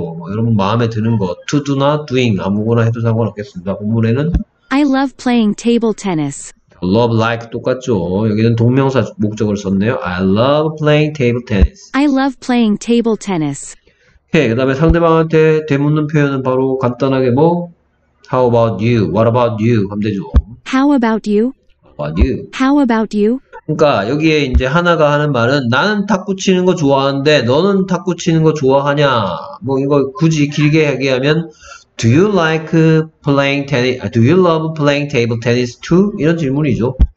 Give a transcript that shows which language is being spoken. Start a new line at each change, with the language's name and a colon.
Korean: 뭐 여러분 마음에 드는 거 to do나 doing 아무거나 해도 상관없겠습니다. 본문에는
English: I love playing table tennis. Love, like
Korean: 똑같죠. 여기는 동명사 목적을 썼네요.
English: I love playing table tennis. I love playing table tennis.
Korean: 오케이. 그 다음에 상대방한테 되묻는 표현은 바로 간단하게 뭐?
English: How about you? What about you?
Korean: 하면 되죠.
English: How about you? How about you? How about you?
Korean: 그러니까 여기에 이제 하나가 하는 말은 나는 탁구 치는 거 좋아하는데 너는 탁구 치는 거 좋아하냐? 뭐 이거 굳이 길게 얘기하면
English: Do you like playing tennis? Do you love playing table tennis too?
Korean: 이런 질문이죠.